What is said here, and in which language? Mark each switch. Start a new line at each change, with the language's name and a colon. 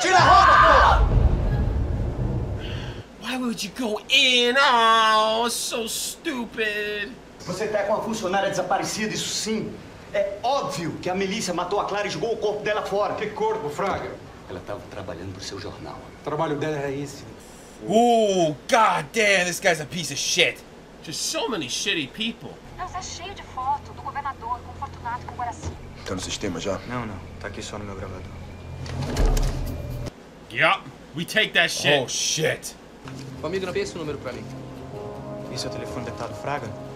Portuguese: Tira a roupa! Pô!
English: Why would you go in? Oh, so stupid.
Portuguese: Você tá com uma funcionária desaparecida, isso sim. É óbvio que a milícia matou a Clara e jogou o corpo dela fora. Que corpo, Fraga? Ela tava trabalhando pro seu jornal. O trabalho dela era esse.
English: Oh, god damn, this guy's a piece of shit. Just so many shitty people.
Portuguese: Não, tá cheio de foto do governador com Fortunato com o Guaraci. Tá no sistema já? Não. Tá aqui só no meu gravador.
English: Yup. We take that shit. Oh, shit.
Portuguese: Família, grampei esse número pra mim. Esse é o telefone detado, Fraga?